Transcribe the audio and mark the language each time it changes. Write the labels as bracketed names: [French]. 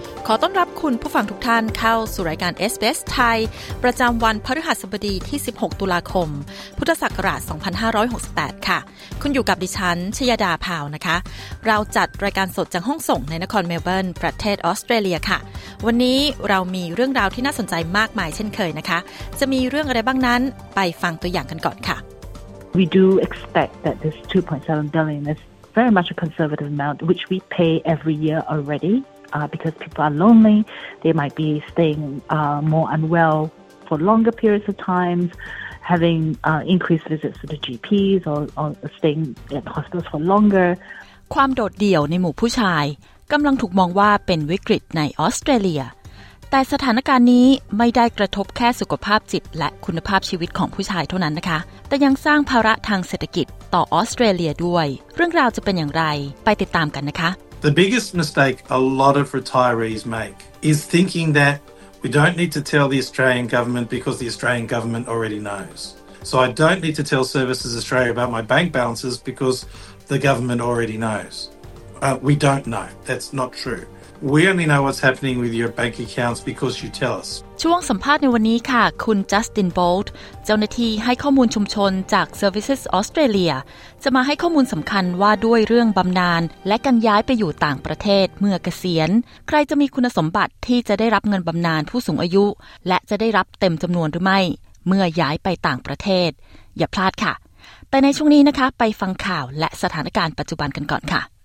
[Thai] ขอต้อนรับคุณผู้ฟังทุกท่านเข้าสู่รายการ SBS ไทยประจำวันพฤหัสบดีที่16ตุลาคมพุทธศักราช2568ค่ะคุณอยู่กับดิฉันชยดาพาวนะคะเราจัดรายการสดจากห้องส่งในนครเมลเบิร์นประเทศออสเตรเลียค่ะวันนี้เรามีเรื่องราวที่น่าสนใจมากมายเช่นเคยนะคะจะมีเรื่องอะไรบ้างนั้นไปฟังตัวอย่างกันก่อนค่ะ [English] We do expect that this 2.7 billion is very much a conservative amount which we pay every year alreadyBecause people are lonely, they might be staying more unwell for longer periods of time, having increased visits to the GPs or staying at hospitals for longer. [Thai] ความโดดเดี่ยวในหมู่ผู้ชายกำลังถูกมองว่าเป็นวิกฤตในออสเตรเลียแต่สถานการณ์นี้ไม่ได้กระทบแค่สุขภาพจิตและคุณภาพชีวิตของผู้ชายเท่านั้นนะคะแต่ยังสร้างภาระทางเศรษฐกิจต่อออสเตรเลียด้วยเรื่องราวจะเป็นอย่างไรไปติดตามกันนะคะ [English] The biggest mistake a lot of retirees make is thinking that we don't need to tell the Australian government because the Australian government already knows. So I don't need to tell Services Australia about my bank balances because the government already knows. We don't know. That's not true. We only know what's happening with your bank accounts because you tell us. [Thai] ช่วงสัมภาษณ์ในวันนี้ค่ะคุณจัสตินโบลต์เจ้าหน้าที่ให้ข้อมูลชุมชนจาก Services Australia จะมาให้ข้อมูลสำคัญว่าด้วยเรื่องบำนาญและการย้ายไปอยู่ต่างประเทศเมื่อเกษียณใครจะมีคุณสมบัติที่จะได้รับเงินบำนาญผู้สูงอายุและจะได้รับเต็มจำนวนหรือไม่เมื่อย้ายไปต่างประเทศอย่าพลาดค่ะแต่ในช่วงนี้นะคะไปฟังข่าวและสถานการณ์ปัจจุบันกันก่อนค่ะ